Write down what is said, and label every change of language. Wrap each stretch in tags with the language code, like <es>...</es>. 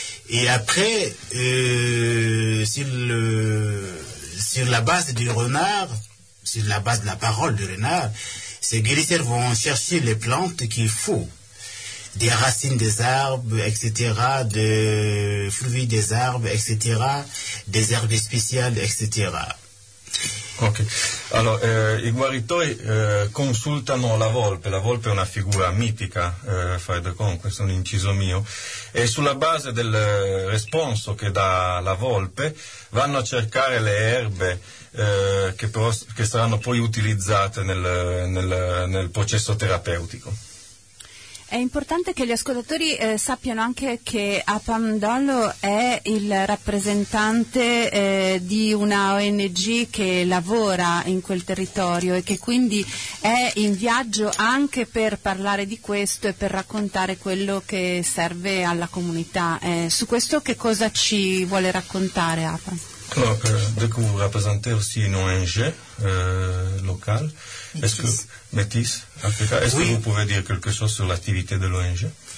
<fr>Et après, sur la base du renard, sur la base de la parole du renard, ces guérisseurs vont chercher les plantes qu'il faut. Des racines des arbres, etc., des fruits des arbres, etc., des herbes spéciales, etc.</fr> <it>Ok, allora i guaritori consultano la volpe è una figura mitica, fai da conto, questo è un inciso mio, e sulla base del responso che dà la volpe vanno a cercare le erbe che saranno poi utilizzate nel processo terapeutico. È importante che gli ascoltatori sappiano anche che Apam Dolo è il rappresentante di una ONG che lavora in quel territorio e che quindi è in viaggio anche per parlare di questo e per raccontare quello che serve alla comunità. Su questo che cosa ci vuole raccontare Apam?</it> <fr>Vous rappresentez aussi une ONG locale. Est-ce que Métis, Africa, est-ce oui. que vous pouvez dire quelque chose sur l'activité de l'ONG?</fr>